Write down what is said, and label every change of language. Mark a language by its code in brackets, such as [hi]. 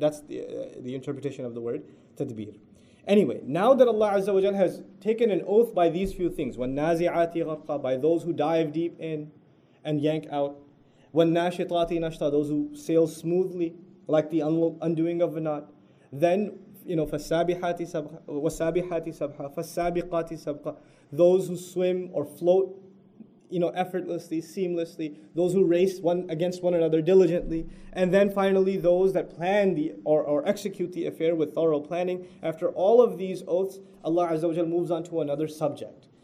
[en] That's the interpretation of the word tadbir. Anyway, now that Allah Azza wa Jalla has taken an oath by these few things, [ar] وَالنَّازِعَاتِ غَرْقًا, [en] by those who dive deep in and yank out, [ar] وَالنَّاشِطَاتِ نَشْطًا, [en] those who sail smoothly, like the undoing of a knot, then you know, [ar] فَالسَّابِحَاتِ سَبْحَ وَالسَّابِحَاتِ سَبْحَ فَالسَّابِقَاتِ سَبْقَ. [en] Those who swim or float, you know, effortlessly, seamlessly, those who race one against one another diligently, and then finally those that plan the or execute the affair with thorough planning. After all of these oaths, Allah Azza wa Jalla moves on to another subject.